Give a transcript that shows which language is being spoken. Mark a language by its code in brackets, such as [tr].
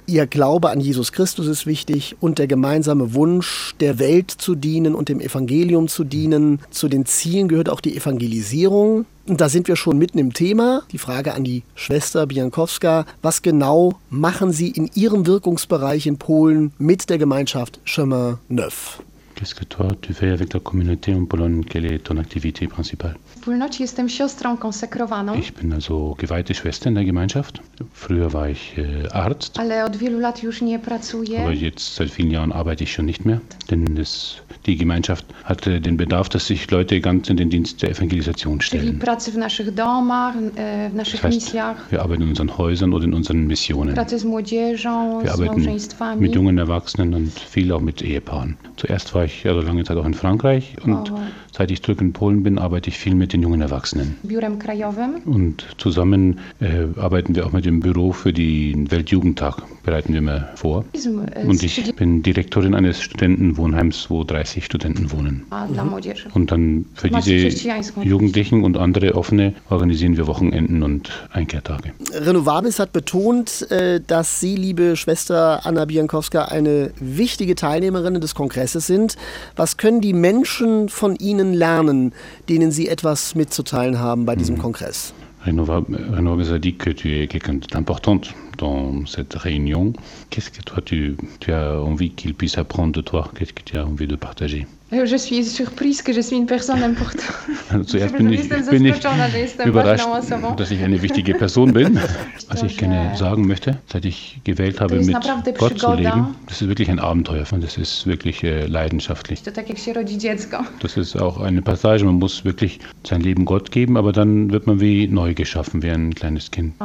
[de] Ihr Glaube an Jesus Christus ist wichtig und der gemeinsame Wunsch, der Welt zu dienen und dem Evangelium zu dienen. Zu den Zielen gehört auch die Evangelisierung. Und da sind wir schon mitten im Thema. Die Frage an die Schwester Biankowska: Was genau machen Sie in Ihrem Wirkungsbereich in Polen mit der Gemeinschaft Chemin Neuf? [fr] Qu'est-ce que toi tu fais avec ta communauté en Pologne? Quelle est ton activité principale? [pl] Północy jestem siostrą konsekrowaną. [de] Ich bin also geweihte Schwester in der Gemeinschaft. Früher war ich Arzt. [pl] Ale od wielu lat już nie pracuję. [de] Aber jetzt seit vielen Jahren arbeite ich schon nicht mehr. Denn die Gemeinschaft hatte den Bedarf, dass sich Leute ganz in den Dienst der Evangelisation stellen. [pl] Czyli pracy w naszych domach, w naszych misjach. [de] Wir arbeiten in unseren Häusern oder in unseren Missionen. [pl] Pracy z młodzieżą, [de] wir arbeiten mit jungen Erwachsenen und viel auch mit Ehepaaren. Zuerst war ich also lange Zeit auch in Frankreich und seit ich zurück in Polen bin, arbeite ich viel mit den jungen Erwachsenen. [pl] Biurem krajowym. [de] Und zusammen arbeiten wir auch mit dem Büro für den Weltjugendtag, bereiten wir mal vor. Und ich bin Direktorin eines Studentenwohnheims, wo 30 Studenten wohnen. Und dann für diese Jugendlichen und andere Offene organisieren wir Wochenenden und Einkehrtage. Renovabis hat betont, dass Sie, liebe Schwester Anna Biankowska, eine wichtige Teilnehmerin des Kongresses sind. Was können die Menschen von Ihnen lernen, denen Sie etwas mitzuteilen haben bei diesem Kongress? [fr] Renovabis a dit que tu es quelqu'un d'important dans cette réunion. Qu'est-ce que toi tu as envie qu'ils puissent apprendre de toi? Qu'est-ce que tu as envie de partager? Je suis surprise que je suis une personne importante. [de] Zuerst bin ich überrascht, dass ich eine wichtige Person bin. Was ich gerne sagen möchte, seit ich gewählt habe, mit Gott zu leben, das ist wirklich ein Abenteuer. Das ist wirklich leidenschaftlich. Das ist auch eine Passage. Man muss wirklich sein Leben Gott geben, aber dann wird man wie neu geschaffen, wie ein kleines Kind.